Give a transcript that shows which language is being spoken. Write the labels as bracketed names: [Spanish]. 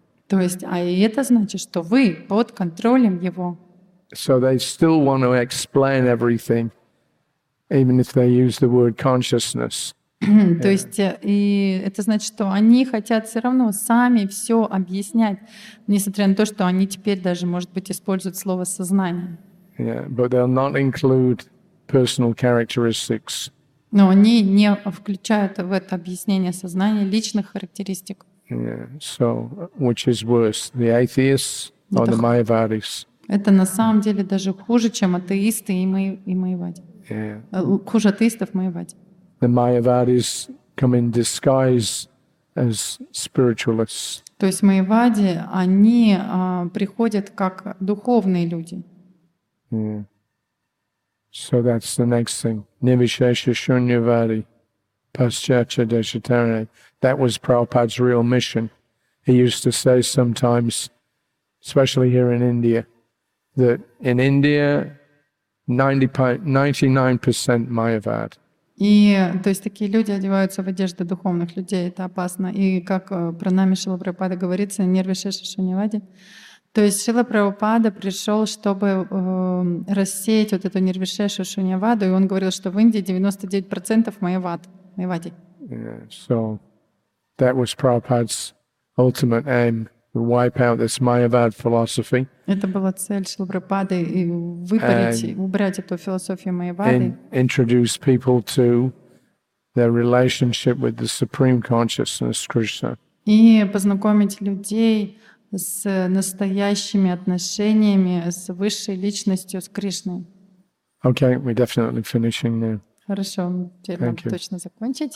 [Russian] То есть, а это значит, что вы под контролем его. [English] So they still want to explain everything, even if they use the word consciousness. [Russian] То есть, и это значит, что они хотят все равно сами все объяснять, несмотря на то, что они теперь даже, может быть, используют слово сознание. [English] Yeah, but they'll not include personal characteristics. [Russian] Но они не включают в это объяснение сознания личных характеристик. [English] Yeah. So, which is worse, the atheists or the Mayavadis? [Russian] Это на самом деле даже хуже, чем атеисты и Майявади. [English] Yeah. [Russian] Хуже атеистов Майявади. [English] The Mayavadis come in disguise as spiritualists. [Russian] То есть Майявади, они приходят как духовные люди. [English] Yeah. So that's the next thing. [Sanskrit] Nivishesha Shunyavadi. Paschacha Deshatarane. [English] That was Prabhupada's real mission. He used to say sometimes, especially here in India, that in India, 99% Mayavad. [Russian] И то есть такие люди одеваются в одежды духовных людей, это опасно. И как про нами Шрила Прабхупада говорится, Нирвишеша Шуньявади. То есть Шрила Прабхупада пришел, чтобы рассеять вот эту Нирвишешу Шуньяваду, и он говорил, что в Индии 99% Майявад. [English] Yeah, so that was Prabhupada's ultimate aim, to wipe out this Mayavad philosophy. [Russian] Это была цель Шрилы Прабхупады выпарить, убрать эту философию Майявады. [English] And introduce people to their relationship with the Supreme Consciousness, Krishna. [Russian] И познакомить людей с настоящими отношениями с высшей личностью, с Кришной. [English] Okay, we're definitely finishing now. [Russian] Хорошо, теперь нам точно закончить.